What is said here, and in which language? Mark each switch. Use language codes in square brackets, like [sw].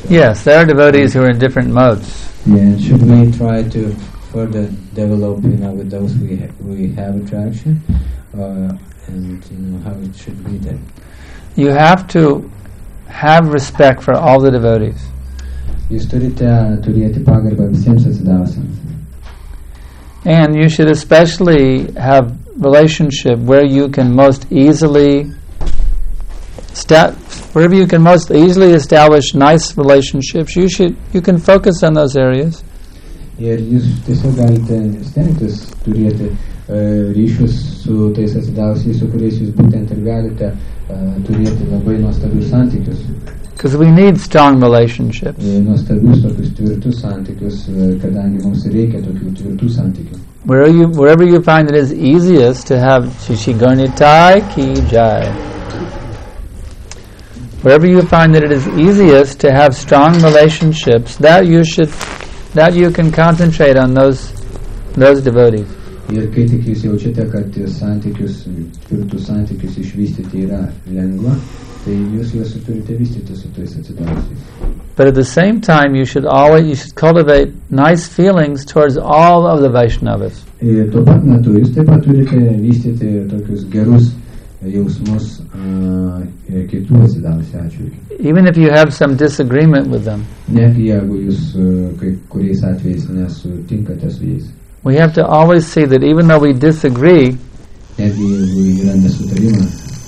[en] Yes, there are devotees who are in different modes. Yeah, and should we try to further develop, you know, with those we have attraction, and you know how it should be then? You have to have respect for all the devotees. [lt] Jūs turite turėti pagarbą visiems atsidavusiems. [en] And you should especially have relationship where you can most easily wherever you can most easily establish nice relationships. You can focus on those areas. [lt] Ir jūs tiesiog galite stengtis turėti ryšius su tais atsidavusiais, su kuriais jūs būtent ir galite turėti labai nuostabius santykius. [en] Because we need strong relationships. [lt] Nuostabius tokius tvirtus santykius, kadangi mums reikia tokių tvirtų santykių. [en] Wherever you find it is easiest to have shishigarnitai ki jai. Wherever you find that it is easiest to have strong relationships, that you can concentrate on those devotees. [lt] Ir kai tik jūs jaučiate, kad santykius, tvirtus santykius išvystyti yra lengva, tai jūs juos turite vystyti su tais atsidavusiais. [en] But at the same time, you should cultivate nice feelings towards all of the Vaishnavas. [lt] Ir tuo pat metu jūs taip pat turite vystyti tokius gerus jausmus kitų atsidavusių atžvilgiu. [en] Even if you have some disagreement with them. [lt] Net jeigu jūs kai kuriais atvejais nesutinkate su jais. [en] We have to always see that even though we disagree, [lt] net jeigu yra nesutarimas,